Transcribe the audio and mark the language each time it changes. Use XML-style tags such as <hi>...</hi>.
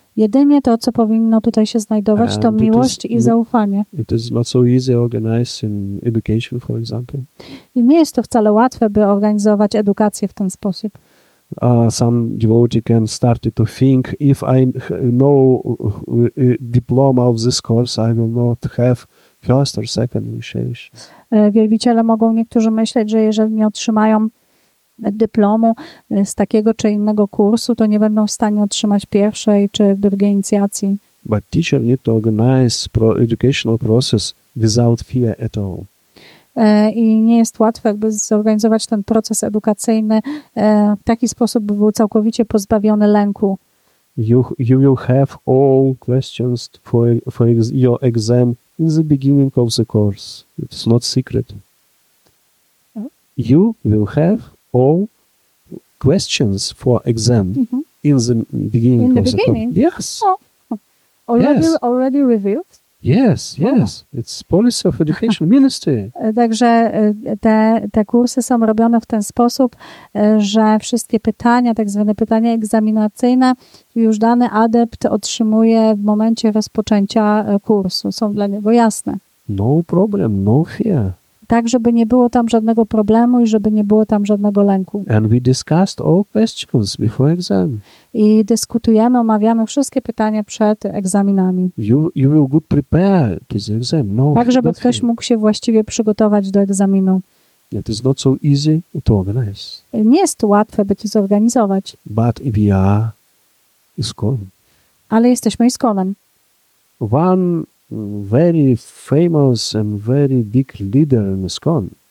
<pl>Jedynie to, co powinno tutaj się znajdować, to miłość i zaufanie.</pl> <en>It is not so easy organized in education, for example.</en> <pl>I nie jest to wcale łatwe, by organizować edukację w ten sposób.</pl> <en>Some devotee can start to think, if I know diploma of this course, I will not have first or second initiation.</en> <pl>Wielbiciele mogą niektórzy myśleć, że jeżeli nie otrzymają dyplomu z takiego czy innego kursu, to nie będą w stanie otrzymać pierwszej czy drugiej inicjacji.</pl> <en>But teacher need to organize educational process without fear at all.</en> <pl>I nie jest łatwe, jakby zorganizować ten proces edukacyjny w taki sposób, by był całkowicie pozbawiony lęku.</pl> <en>You will have all questions for your exam in the beginning of the course. It's not secret. You will have all questions for exam in the beginning. In the beginning? Yes. Oh. Already revealed? Yes. Oh. It's policy of education ministry.</en> <pl>Także te kursy są robione w ten sposób, że wszystkie pytania, tak zwane pytania egzaminacyjne, już dany adept otrzymuje w momencie rozpoczęcia kursu. Są dla niego jasne.</pl> <en>No problem, no fear.</en> <pl>Tak, żeby nie było tam żadnego problemu i żeby nie było tam żadnego lęku.</pl> <en>And we discussed all questions before exam.</en> <pl>I dyskutujemy, omawiamy wszystkie pytania przed egzaminami.</pl> <en>You will good prepare to the exam.</en> <pl>No, tak, żeby ktoś mógł się właściwie przygotować do egzaminu.</pl> <en>It is not so easy to organize.</en> <pl>Nie jest łatwe, by to zorganizować.</pl> <en>But we are ISKCON.</en> <pl>Ale jesteśmy ISKCON-em.</pl> <en>One very famous and very big leader in ISKCON.</en>